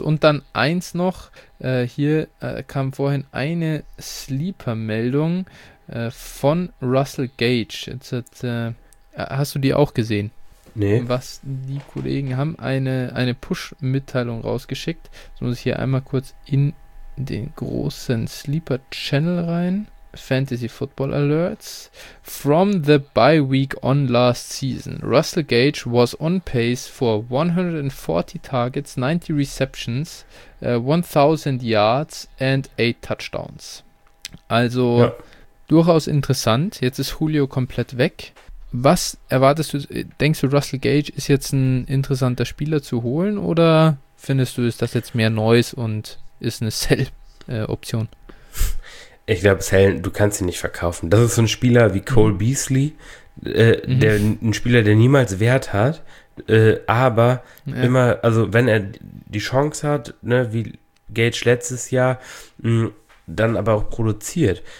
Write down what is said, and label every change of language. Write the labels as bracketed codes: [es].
[de] Und dann eins noch. Hier kam vorhin eine Sleeper-Meldung von Russell Gage. Hast du die auch gesehen? Nee. Was die Kollegen haben eine Push-Mitteilung rausgeschickt. Jetzt muss ich hier einmal kurz in den großen Sleeper-Channel rein. [en] Fantasy Football Alerts. From the bye week on last season. Russell Gage was on pace for 140 targets, 90 receptions, 1000 yards and 8 touchdowns. [de] Also Ja. durchaus interessant. Jetzt ist Julio komplett weg. Was erwartest du, denkst du, Russell Gage ist jetzt ein interessanter Spieler zu holen oder findest du, ist das jetzt mehr Noise und ist eine Sell-Option? Ich glaube, Helen, du kannst ihn nicht verkaufen. Das ist so ein Spieler wie Cole Beasley, der ein Spieler, der niemals Wert hat, aber immer, also wenn er die Chance hat, ne, wie Gage letztes Jahr, dann aber auch produziert.